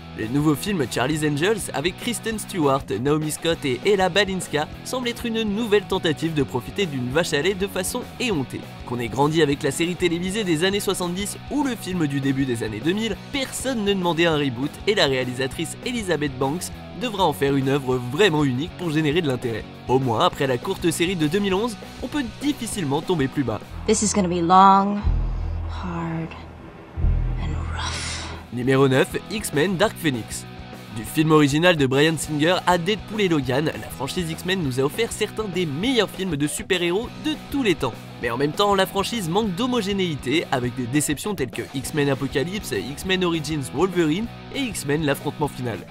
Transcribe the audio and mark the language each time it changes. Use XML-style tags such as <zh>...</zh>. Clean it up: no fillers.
<fr>Le nouveau film Charlie's Angels, avec Kristen Stewart, Naomi Scott et Ella Balinska, semble être une nouvelle tentative de profiter d'une vache à lait de façon éhontée. Qu'on ait grandi avec la série télévisée des années 70 ou le film du début des années 2000, personne ne demandait un reboot et la réalisatrice Elizabeth Banks devra en faire une œuvre vraiment unique pour générer de l'intérêt. Au moins, après la courte série de 2011, on peut difficilement tomber plus bas.</fr> <en>This is gonna be long, hard and rough.</en> <fr>Numéro 9, X-Men Dark Phoenix. Du film original de Bryan Singer à Deadpool et Logan, la franchise X-Men nous a offert certains des meilleurs films de super-héros de tous les temps. Mais en même temps, la franchise manque d'homogénéité avec des déceptions telles que X-Men Apocalypse, X-Men Origins Wolverine et X-Men l'affrontement final.</fr>